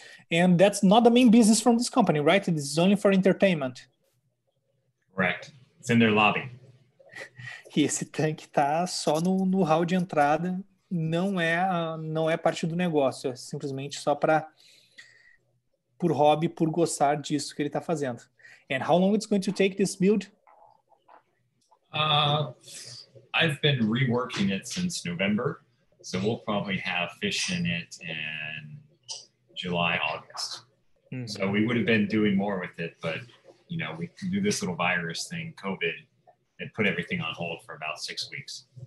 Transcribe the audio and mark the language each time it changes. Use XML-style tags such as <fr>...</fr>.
<en>And that's not the main business from this company, right? This is only for entertainment. Correct. It's in their lobby.</en> <pt>E esse tanque está só no hall de entrada. Não é parte do negócio. É simplesmente só por hobby, por gostar disso que ele está fazendo.</pt> <en>And how long it's going to take this build? I've been reworking it since November, so we'll probably have fish in it in July, August. Mm-hmm. So we would have been doing more with it, but you know, we can do this little virus thing, COVID, and put everything on hold for about 6 weeks.</en>